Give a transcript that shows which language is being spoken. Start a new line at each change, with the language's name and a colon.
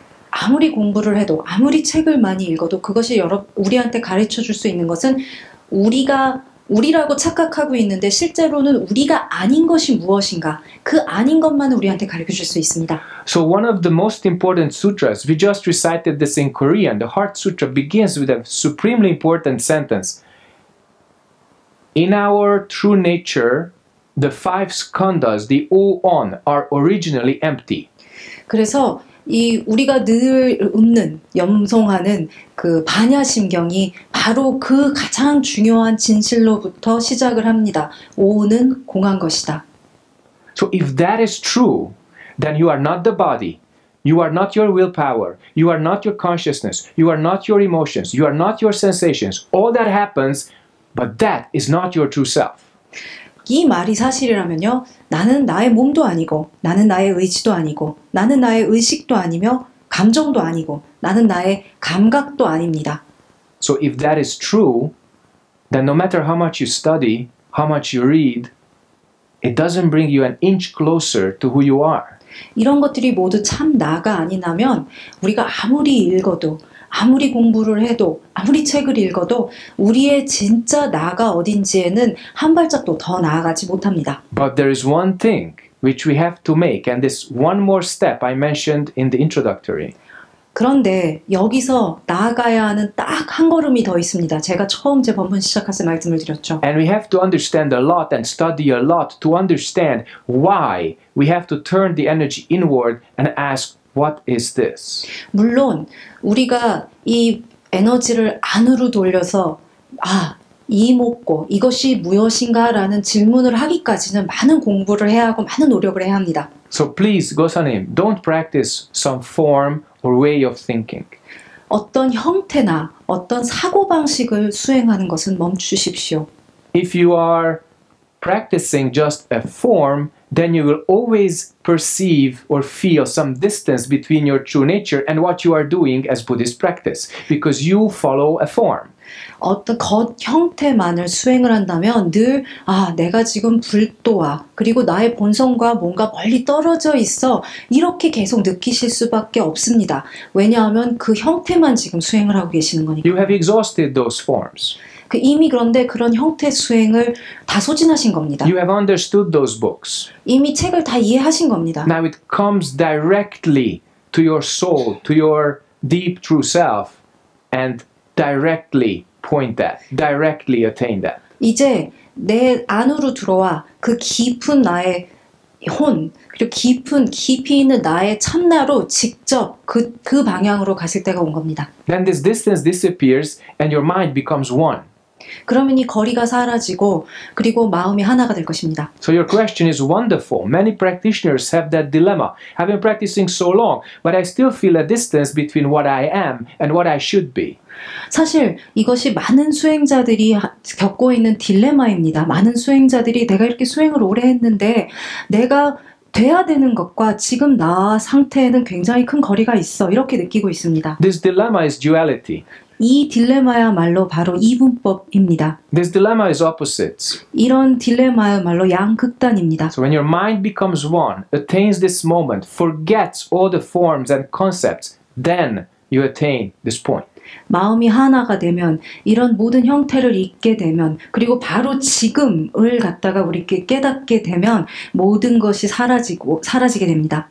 Korean: 아무리 공부를 해도, 아무리 책을 많이 읽어도 그것이 우리한테 가르쳐줄 수 있는 것은 우리가 우리라고 착각하고 있는데 실제로는 우리가 아닌 것이 무엇인가 그 아닌 것만을 우리한테 가르쳐 줄 수 있습니다.
English: So one of the most important sutras, we just recited this in Korean, the Heart Sutra begins with a supremely important sentence. In our true nature, the five skandhas, the on, are originally empty.
Korean: 그래서 이 우리가 늘 웃는 염송하는 그 반야심경이 바로 그 가장 중요한 진실로부터 시작을 합니다. 오는 공한 것이다.
English: So if that is true, then you are not the body. You are not your willpower. You are not your consciousness. You are not your emotions. You are not your sensations. All that happens, but that is not your true self.
Korean: 이 말이 사실이라면요. 나는 나의 몸도 아니고, 나는 나의 의지도 아니고, 나는 나의 의식도 아니며, 감정도 아니고, 나는 나의 감각도 아닙니다.
English: So if that is true, then no matter how much you study, how much you read, it doesn't bring you an inch closer to who you are.
Korean: 이런 것들이 모두 참 나가 아니냐면, 우리가 아무리 읽어도, 아무리 공부를 해도, 아무리 책을 읽어도 우리의 진짜 나가 어딘지에는 한 발짝도 더 나아가지 못합니다.
English: But there is one thing which we have to make, and this one more step I mentioned in the introductory.
Korean: 그런데 여기서 나아가야 하는 딱 한 걸음이 더 있습니다. 제가 처음 제 법문 시작할 때 말씀을 드렸죠.
English: And we have to understand a lot and study a lot to understand why we have to turn the energy inward and ask, What is this?
Korean: 물론 우리가 이 에너지를 안으로 돌려서 아, 이 목고 이것이 무엇인가라는 질문을 하기까지는 많은 공부를 해야 하고 많은 노력을 해야 합니다.
English: So please, Gosanim, don't practice some form or way of thinking.
Korean: 어떤 형태나 어떤 사고방식을 수행하는 것은 멈추십시오.
English: If you are practicing just a form, then you will always perceive or feel some distance between your true nature and what you are doing as Buddhist practice because you follow a form.
Korean: 어떤 겉 형태만을 수행을 한다면 늘 아, 내가 지금 불도와 그리고 나의 본성과 뭔가 멀리 떨어져 있어 이렇게 계속 느끼실 수밖에 없습니다. 왜냐하면 그 형태만 지금 수행을 하고 계시는 거니까.
English: You have exhausted those forms.
Korean: 그 이미 그런데 그런 형태 수행을 다 소진하신 겁니다.
English: You have understood those books.
Korean: 이미 책을 다 이해하신 겁니다.
English: Now it comes directly to your soul, to your deep true self, and directly point that, directly attain that.
Korean: 이제 내 안으로 들어와 그 깊은 나의 혼, 그리고 깊은 깊이 있는 나의 참나로 직접 그 방향으로 가실 때가 온 겁니다.
English: Then this distance disappears and your mind becomes one.
Korean: 그러면 이 거리가 사라지고 그리고 마음이 하나가 될 것입니다.
English: So your question is wonderful. Many practitioners have that dilemma. I've been practicing so long, but I still feel a distance between what I am and what I should be.
Korean: 사실 이것이 많은 수행자들이 겪고 있는 딜레마입니다. 많은 수행자들이 내가 이렇게 수행을 오래 했는데 내가 돼야 되는 것과 지금 나 상태에는 굉장히 큰 거리가 있어 이렇게 느끼고 있습니다.
English: This dilemma is duality.
Korean: 이 딜레마야말로 바로 이분법입니다.
English: This dilemma is opposites.
Korean: 이런 딜레마야말로 양극단입니다.
English: So when your mind becomes one, attains this moment, forgets all the forms and concepts, then you attain this point.
Korean: 마음이 하나가 되면 이런 모든 형태를 잊게 되면 그리고 바로 지금을 갖다가 우리께 깨닫게 되면 모든 것이 사라지게 됩니다.